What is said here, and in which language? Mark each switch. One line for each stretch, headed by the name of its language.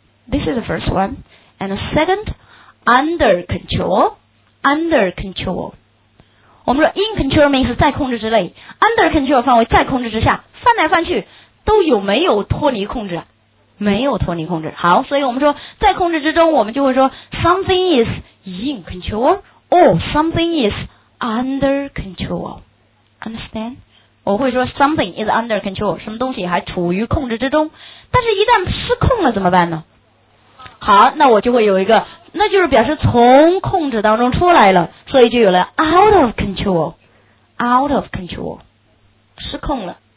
English: This is the first one. And the second, under control. Under control.
Chinese: 我们说 in control means 在控制之内， under control 范围在控制之下，翻来翻去都有没有脱离控制，没有脱离控制。好，所以我们说在控制之中，我们就会说
English: something is in control
Chinese: or
English: something is under control. Understand?
Chinese: 我会说
English: something is under control，
Chinese: 什么东西还处于控制之中，但是一旦失控了怎么办呢？好，那我就会有一个，那就是表示从控制当中出来了，所以就有了 out of control， out of control， 失控了。